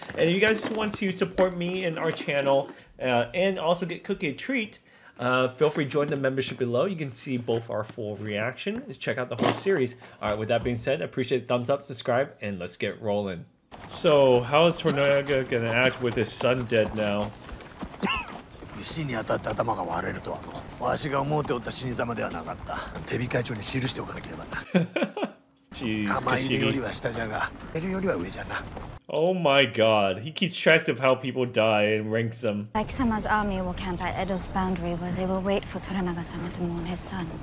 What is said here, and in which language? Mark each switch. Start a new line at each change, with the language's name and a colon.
English: And if you guys want to support me and our channel and also get Cookie a treat, feel free to join the membership below. You can see both our full reaction. Just check out the whole series. All right, with that being said, I appreciate the thumbs up, subscribe, and let's get rolling. So, how is Torunaga gonna act with his son dead now?
Japanese: 石に当たって頭が割れるとは、わしが思うておった死に様ではなかった。手控え帳に記しておかなければな。構えるよりは下じゃが、やるよりは上じゃな。
English: Oh my god, he keeps track of how people die and ranks them. Like Sama's army will camp at Edo's boundary where they will wait for Toranaga-sama to mourn his son.